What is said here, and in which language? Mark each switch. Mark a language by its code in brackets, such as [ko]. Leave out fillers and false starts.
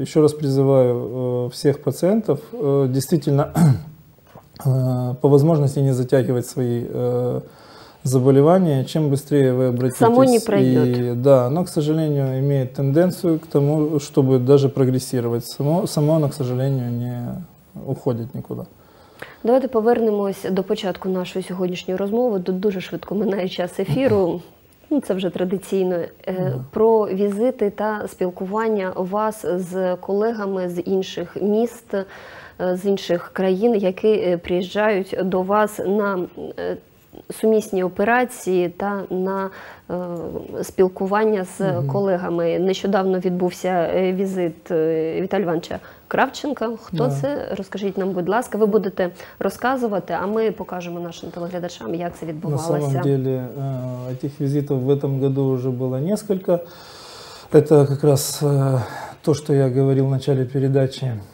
[ru] Еще раз призываю всех пациентов действительно по возможности не затягивать свои заболевания, чем быстрее вы обратитесь. Само не пройдет. И, да, оно, к сожалению, имеет тенденцию к тому, чтобы даже прогрессировать. Само оно, к сожалению, не уходить нікуди. [uk] Давайте повернемось до початку нашої сьогоднішньої розмови. Тут дуже швидко минає час ефіру. Ну, це вже традиційно. Про візити та спілкування вас з колегами з інших міст, з інших країн, які приїжджають до вас на сумісні операції та на спілкування з колегами. Нещодавно відбувся візит Віталія Івановича Кравченка. Хто це? Розкажіть нам, будь ласка. Ви будете розказувати, а ми покажемо нашим телеглядачам, як це відбувалося. [ru] На самом деле, [uk] цих візитів [ru] в этом году [uk] вже було [ru] несколько. Это как раз то, что я говорил в начале передачи.